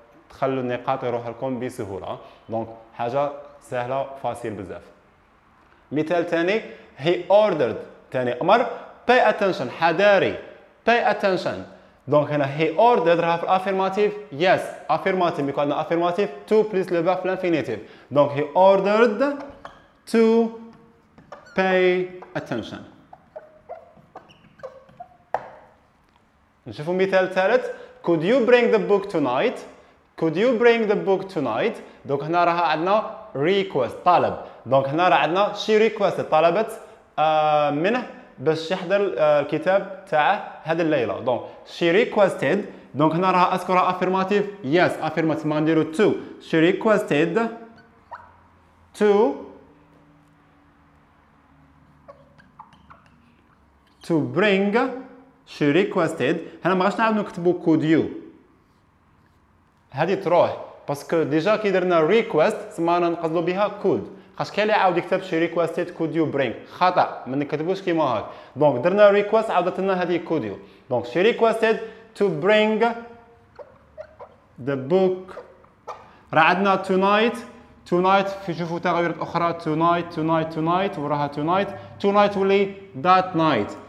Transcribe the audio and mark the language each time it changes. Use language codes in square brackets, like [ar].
[ar] تخلوا النقاط يروح لكم بسهولة. دونك حاجة سهلة فاسيل بزاف. مثال تاني، [en] he ordered. [ar] تاني أمر [en] pay attention، [ar] حذاري [en] pay attention. [ar] دونك هنا he ordered راه في الأفيرماتيف yes، أفيرماتيف بيكون أفيرماتيف to plus le verb في الانفينيتيف. [en] دونك he ordered to pay attention. نشوفوا مثال ثالث، could you bring the book tonight؟ could you bring the book tonight؟ [ar] دونك هنا راه عندنا request، طلب. دونك هنا راه عندنا she requested، طلبت منه باش يحضر الكتاب تاع هذه الليله. دونك [en] she requested، [ar] دونك هنا راه اذكرها افيرماتيف yes، افيرماتيف ما نديرو to. [en] she requested to bring. she requested [ar] هنا ما غاش نعاود نكتبو could you، هذه تروح باسكو ديجا كي درنا request تما نقصدو بها could. خاصك اللي عاود يكتب [en] she requested could you bring، [ar] خطا ما نكتبوش كيما هاك. دونك درنا request عاودت لنا هذه could you. [en] دونك she requested to bring the book. [ar] راه عندنا tonight، tonight في شوفوا تغيرات اخرى، tonight وراها tonight ولي that night.